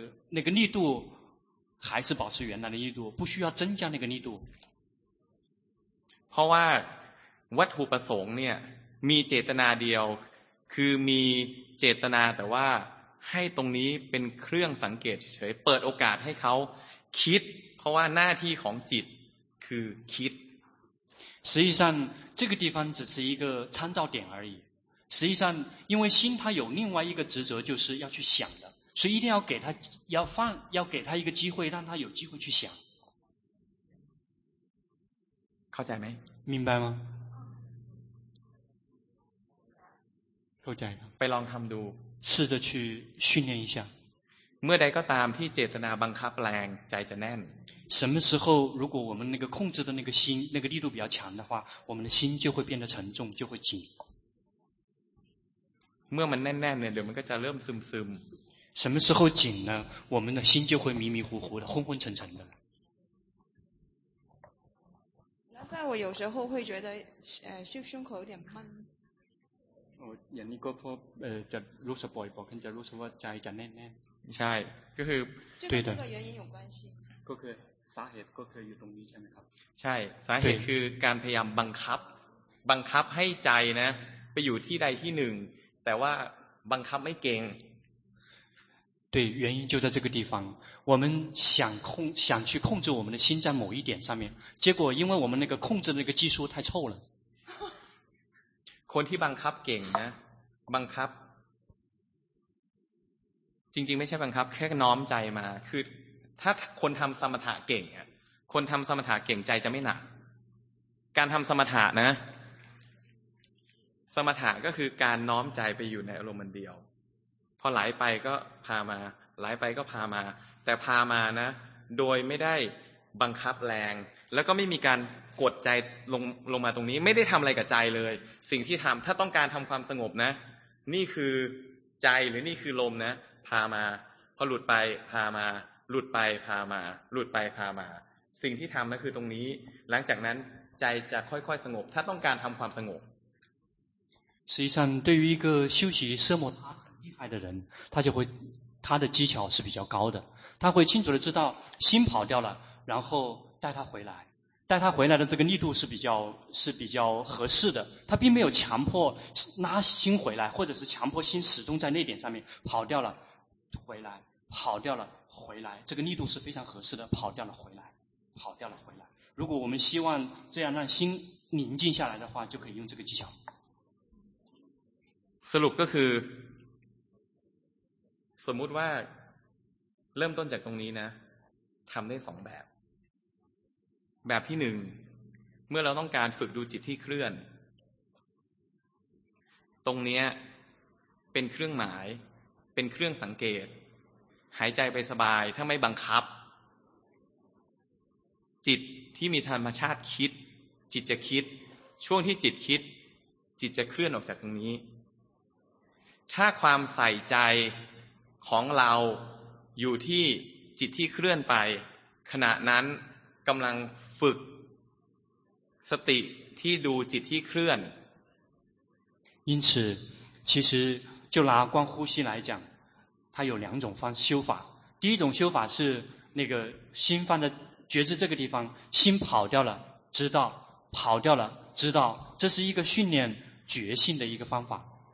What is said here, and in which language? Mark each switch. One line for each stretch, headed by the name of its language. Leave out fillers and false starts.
Chinese: 那个力度还是保持原来的力度不需要增加那个力度
Thai: เพราะว่าวัตถุประสงค์เนี่ยมีเจตนาเดียวคือมีเจตนาแต่ว่าให้ตรงนี้เป็นเครื่องสังเกตเฉยๆเปิดโอกาสให้เขาคิดเพราะว่าหน้าที่ของจิตคือคิด
Chinese: 实际上这个地方只是一个参照点而已实际上因为心它有另外一个职责就是要去想的所以一定要给它要给它一个机会让它有机会去想靠在没明白吗靠在吗被让他们读试着去训练一下
Thai: เมื่อใดก็ตามที่เจตนาบังคับแรงใจจะแน่น
Chinese: 什么时候如果我们那个控制的那个心那个力度比较强的话我们的心就会变得沉重就会紧
Thai: เมื่อมันแน่นๆเนี่ยเดี๋ยวมันก็จะเริ่มซึม
Chinese: 什么时候紧呢我们的心就会迷迷糊糊的昏昏沉沉的难怪我有时候会觉得胸口有点闷
Thai: อย่างนี้ก็พบจะรู้สึกบ่อยๆขึ้นจะรู้สึกว่าใจจะแน่นๆ ใช่ก็คือ ด้วยกับ
Chinese: 原因有关系
Thai: ก็คือสาเหตุก็คืออยู่ตรงนี้ใช่ไหมครับ ใช่สาเหตุคือการพยายามบังคับให้ใจนะไปอยู่ที่ใดที่หนึ่งแต่ว่าบังคับไม่เก่ง
Chinese: 对，原因就在这个地方。我们想控，想去控制我们的心在某一点上面，结果因为我们那个控制的那个技术太臭了。
Thai: คนที่บังคับเก่งนะ，บังคับ，จริงๆไม่ใช่บังคับ，แค่น้อมใจมา。คือถ้าคนทำสมถะเก่งอ่ะ，คนทำสมถะเก่งใจจะไม่หนัก。 การทำสมถะนะ，สมถะก็คือการน้อมใจไปอยู่ในอารมณ์เดียว。 พอไหลไปก็พามาไหลไปก็พามาแต่พามานะโดยไม่ได้บังคับแรงแล้วก็ไม่มีการกดใจลงมาตรงนี้ไม่ได้ทำอะไรกับใจเลยสิ่งที่ทำถ้าต้องการทำความสงบนะนี่คือใจหรือนี่คือลมนะพามาพอหลุดไปพามาหลุดไปพามาหลุดไปพามาสิ่งที่ทำนั่นคือตรงนี้หลังจากนั้นใจจะค่อยๆสงบถ้าต้องการทำความสงบ
Chinese: 实际上对于一个修习奢摩他爱的人，他就会他的技巧是比较高的，他会清楚的知道心跑掉了，然后带他回来的这个力度是比较合适的，他并没有强迫拉心回来，或者是强迫心始终在那点上面，跑掉了回来，跑掉了回来，这个力度是非常合适的，跑掉了回来，跑掉了回来。如果我们希望这样让心宁静下来的话，就可以用这个技巧。
Thai: สรุปก็คือสมมุติว่าเริ่มต้นจากตรงนี้นะทำได้สองแบบแบบที่หนึ่งเมื่อเราต้องการฝึกดูจิตที่เคลื่อน ตรงนี้เป็นเครื่องหมายเป็นเครื่องสังเกตหายใจไปสบายถ้าไม่บังคับจิตที่มีธรรมชาติคิดจิตจะคิดช่วงที่จิตคิดจิตจะเคลื่อนออกจากตรงนี้ถ้าความใส่ใจของเราอยู่ที่จิตที่เคลื่อนไปขณะนั้นกำลังฝึกสติที่ดูจิตที่เคลื่อน
Chinese: 因此其实就拿观呼吸来讲它有两种方修法第一种修法是那个心放在觉知这个地方心跑掉了知道跑掉了知道这是一个训练觉性的一个方法